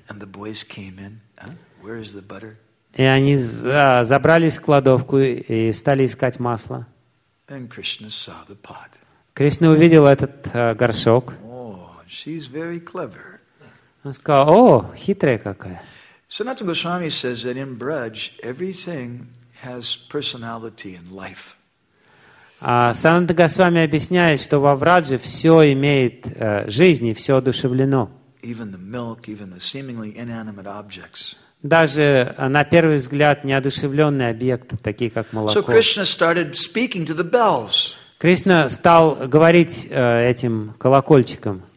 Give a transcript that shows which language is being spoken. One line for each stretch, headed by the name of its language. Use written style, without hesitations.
English: And the boys came in. Huh? Where is the butter?
Russian: И они забрались в кладовку и стали искать масло.
English: And Krishna saw the pot.
Russian: Кришна увидел этот горшок.
English: Oh, she's very clever.
Russian: Он сказал: «О, хитрая какая».
English: Sanatana Goswami says that in Braj everything has personality and life.
Russian: Sanatana Goswami объясняет, что во Врадже все имеет жизнь и все одушевлено.
English: Even the milk, even the seemingly inanimate objects.
Russian: Даже на первый взгляд неодушевленные объекты, такие как молоко.
English: So Krishna started speaking to the bells.
Russian: Кришна стал говорить этим колокольчикам.